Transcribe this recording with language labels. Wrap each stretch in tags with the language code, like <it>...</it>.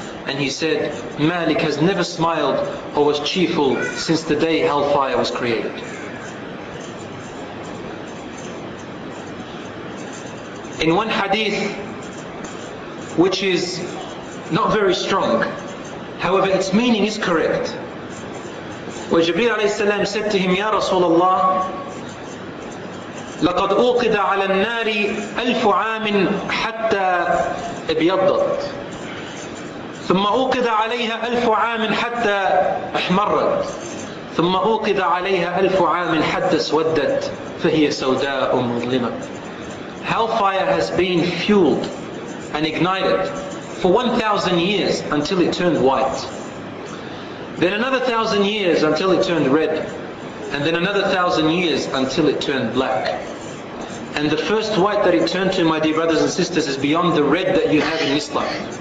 <en>And he said, Malik has never smiled or was cheerful since the day hellfire was created. In one hadith, which is not very strong, however, its meaning is correct. Where Jibreel alayhi salam said to him,</en> <ar>Ya Rasulullah, لَقَدْ أُوْقِدَ عَلَى النَّارِ أَلْفُ عَامٍ حَتَّى أَبْيَضَّتْ ثُمَّ أُوْقِدَ عَلَيْهَا أَلْفُ عَامٍ حَتَّى أَحْمَرَّتْ ثُمَّ أُوْقِدَ عَلَيْهَا أَلْفُ عَامٍ حَتَّى سُوَدَّتْ فَهِيَ سَوْدَاءُ مُظْلِمَةٌ.</ar> <en>Hellfire has been fueled and ignited for 1,000 years until it turned white. Then another 1,000 years until it turned red. And then another 1,000 years until it turned black. And the first white that it turned to, my dear brothers and sisters, is beyond the red that you have in Islam.</en>